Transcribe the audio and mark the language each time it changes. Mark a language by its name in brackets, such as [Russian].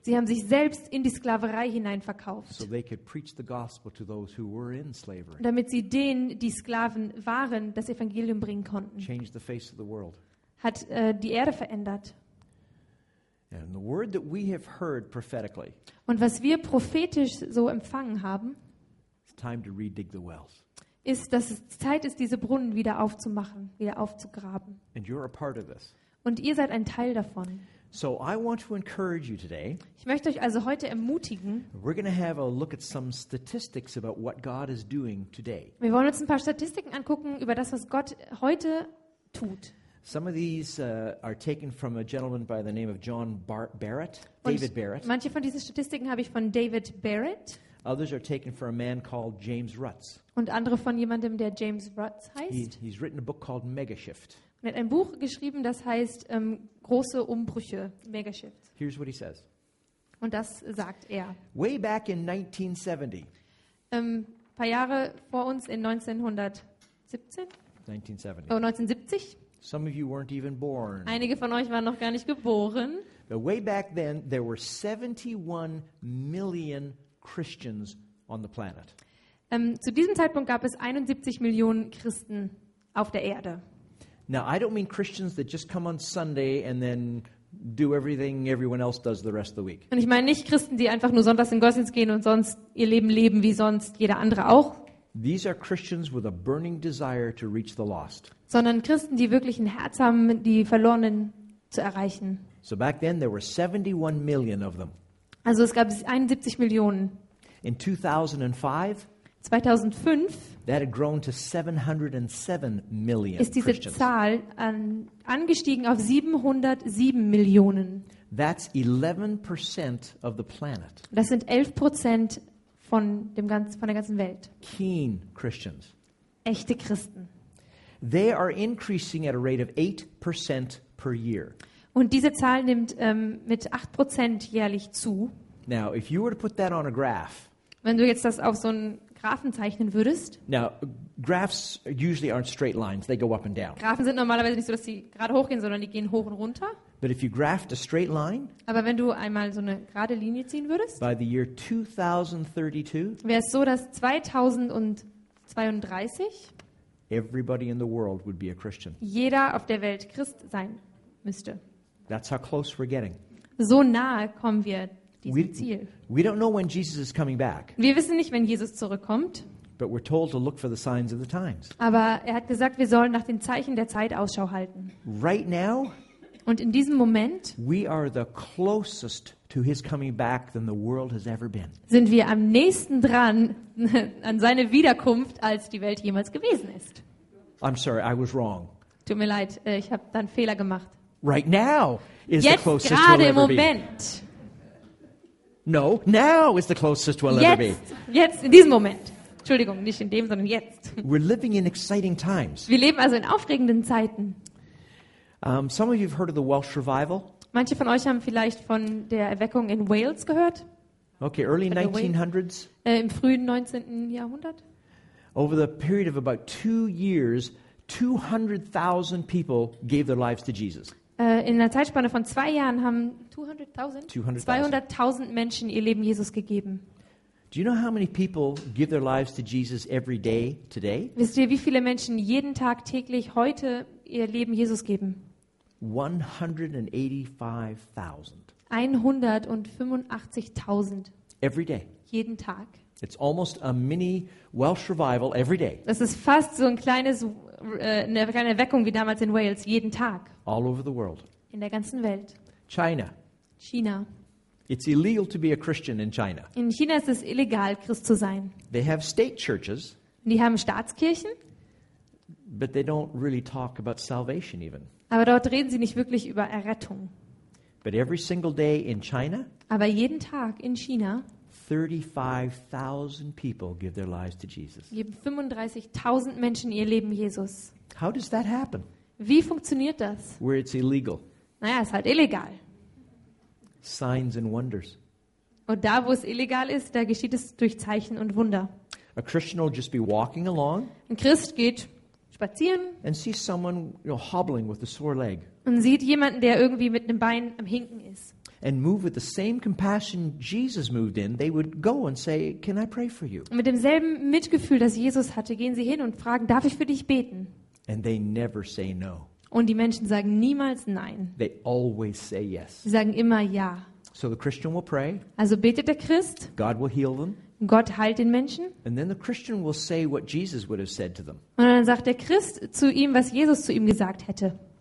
[German] Sie haben sich selbst in die Sklaverei hineinverkauft. [English] So they could preach the gospel to those who were in slavery. [German] Damit sie denen, die Sklaven waren, das Evangelium bringen konnten. [English] Changed the face of the world. [German] Hat die Erde verändert. [English] And the word that we have heard prophetically. [German] Und was wir prophetisch so empfangen haben, [English] it's time to redig the wells. [German] Ist, dass es Zeit ist, diese Brunnen wieder aufzumachen, wieder aufzugraben. [English] And you're a part of this. [German] Und ihr seid ein Teil davon. [English] So I want to encourage you today. [German] Ich möchte euch also heute ermutigen. [English] We're going to have a look at some statistics about what God is doing today. [German] Wir wollen uns ein paar Statistiken angucken über das, was Gott heute tut. [English] Some of these are taken from a gentleman by the name of David Barrett. [German] Manche von diesen Statistiken habe ich von David Barrett. [English] Others are taken from a man called James Rutz. [German] Und andere von jemandem, der James Rutz heißt. [English] He's written a book called Megashift. [German] Er hat ein Buch geschrieben, das heißt Große Umbrüche, Megashift. [English] Here's what he says. [German] Und das sagt er. [English] Way back in 1970. [German] Paar Jahre vor uns in 1917. [English] 1970. Oh, 1970. Some of you weren't even born. [German] Einige von euch waren noch gar nicht geboren. [English] But way back then, there were 71 million Christians on the planet. [German] Zu diesem Zeitpunkt gab es 71 Millionen Christen auf der Erde. [English] Now I don't mean Christians that just come on Sunday and then do everything everyone else does the rest of the week. [German] Und ich meine nicht Christen, die einfach nur sonntags in Gottesdienst gehen und sonst ihr Leben leben wie sonst jeder andere auch. [English] These are Christians with a burning desire to reach the lost. [German] Sondern Christen, die wirklich ein Herz haben, die Verlorenen zu erreichen. [English] So back then there were 71 million of them. [German] Also es gab 71 Millionen. [English] In 2005. [German] 2005. [English] That had grown to 707 million. [German] Ist diese [English] Christians. [German] Zahl angestiegen auf 707 Millionen. [English] That's 11% of the planet. [German] Das sind 11% von der ganzen Welt. [English] Keen Christians. [German] Echte Christen. [English] They are increasing at a rate of 8% per year. [German] Und diese Zahl nimmt mit 8% jährlich zu. [English] Now, if you were to put that on a graph, [German] wenn du jetzt das auf so einen Graphen zeichnen würdest, [English] now, graphs usually aren't straight lines, they go up and down. [German] Graphen sind normalerweise nicht so, dass sie gerade hochgehen, sondern die gehen hoch und runter. [English] But if you graphed a straight line, [German] aber wenn du einmal so eine gerade Linie ziehen würdest, [English] by the year 2032, [German] wäre es so, dass 2032 [English] everybody in the world would be a Christian. [German] Jeder auf der Welt Christ sein müsste. [English] That's how close we're getting. [German] So nahe kommen wir diesem Ziel. [English] We don't know when Jesus is coming back. [German] Wir wissen nicht, wenn Jesus zurückkommt. [English] But we're told to look for the signs of the times. [German] Aber er hat gesagt, wir sollen nach den Zeichen der Zeit Ausschau halten. [English] Right now, [German] und in diesem Moment, [English] we are the closest to his coming back than the world has ever been. [German] Sind wir am nächsten dran an seine Wiederkunft, als die Welt jemals gewesen ist. [English] I'm sorry, I was wrong. [German] Tut mir leid, ich habe da einen Fehler gemacht. [English] Right now is [German] jetzt [English] the closest [German] gerade [English] we'll ever [German] im Moment. [English] Be. No, now is the closest we'll [German] jetzt, [English] ever be. [German] Jetzt, in diesem Moment. Entschuldigung, nicht in dem, sondern jetzt. [English] We're living in exciting times. [German] Wir leben also in aufregenden Zeiten. [English] Some of you have heard of the Welsh Revival. [German] Manche von euch haben vielleicht von der Erweckung in Wales gehört. [English] Okay, early 1900s. [German] Im frühen 19. Jahrhundert. [English] Over the period of about 2 years, 200,000 people gave their lives to Jesus. [German] In einer Zeitspanne von 2 Jahren haben 200,000 Menschen ihr Leben Jesus gegeben. [English] Do you know how many people give their lives to Jesus every day today? [German] Wisst ihr, wie viele Menschen jeden Tag täglich heute ihr Leben Jesus geben? [English] 185,000. [German] 185,000. [English] Every day. [German] jeden Tag. [English] It's almost a mini Welsh revival every day. [German] Das ist fast so ein kleines eine kleine Erweckung wie damals in Wales jeden Tag. [English] All over the world. [German] In der ganzen Welt. [English] China. [German] China. [English] It's illegal to be a Christian in China. [German] In China ist es illegal Christ zu sein. [English] They have state churches. [German] Die haben Staatskirchen. [English] But they don't really talk about salvation even. [German] Aber dort reden sie nicht wirklich über Errettung. [English] But every single day in China. [German] Aber jeden Tag in China. [English] 35,000 people give their lives to Jesus. [German] Geben 35,000 Menschen ihr Leben Jesus. [English] How does that happen? [German] Wie funktioniert das? [English] Where it's illegal. [German] Naja, ist halt illegal. [English] Signs and wonders. [German] Und da, wo es illegal ist, da geschieht es durch Zeichen und Wunder. [English] A Christian will just be walking along. [German] Ein Christ geht spazieren. [English] And sees someone, you know, hobbling with a sore leg. [German] Und sieht jemanden, der irgendwie mit einem Bein am Hinken ist. [English] And move with the same compassion Jesus moved in, they would go and say, "Can I pray for you?" [German] Mit demselben Mitgefühl, das Jesus hatte, gehen sie hin und fragen, "Darf ich für dich beten?" [English] And they never say no. [German] Und die Menschen sagen niemals nein. [English] They always say yes. [German] Sie sagen immer ja. [English] So the Christian will pray. [German] Also betet der Christ. [English] God will heal them. [German] Gott heilt den Menschen. [English] And then the Christian will say what Jesus would have said to them. [German] Und dann sagt der Christ zu ihm, was Jesus zu ihm gesagt hätte.